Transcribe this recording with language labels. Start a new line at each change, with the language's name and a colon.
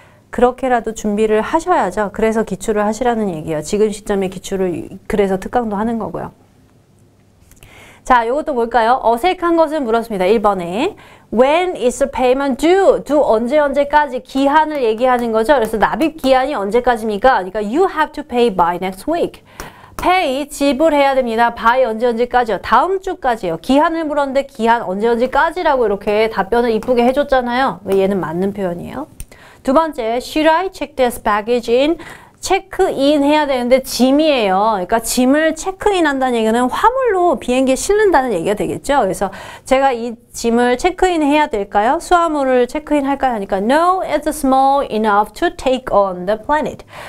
Korean: 그렇게라도 준비를 하셔야죠. 그래서 기출을 하시라는 얘기예요. 지금 시점에 기출을 그래서 특강도 하는 거고요. 자, 이것도 볼까요? 어색한 것을 물었습니다.
English: 1번에 When is the payment due?
Korean: 언제 언제까지? 기한을 얘기하는 거죠. 그래서 납입 기한이 언제까지입니까?
English: 그러니까 You have to pay by next week.
Korean: Pay, 지불해야 됩니다. By 언제 언제까지요? 다음 주까지요. 기한을 물었는데 기한 언제 언제까지라고 이렇게 답변을 이쁘게 해줬잖아요. 얘는 맞는 표현이에요. 두 번째,
English: Should I check this baggage in?
Korean: 체크인 해야 되는데 짐이에요. 그러니까 짐을 체크인 한다는 얘기는 화물로 비행기에 실는다는 얘기가 되겠죠. 그래서 제가 이 짐을 체크인 해야 될까요? 수화물을 체크인 할까요?
English: 하니까 No, it's small enough to take on the planet.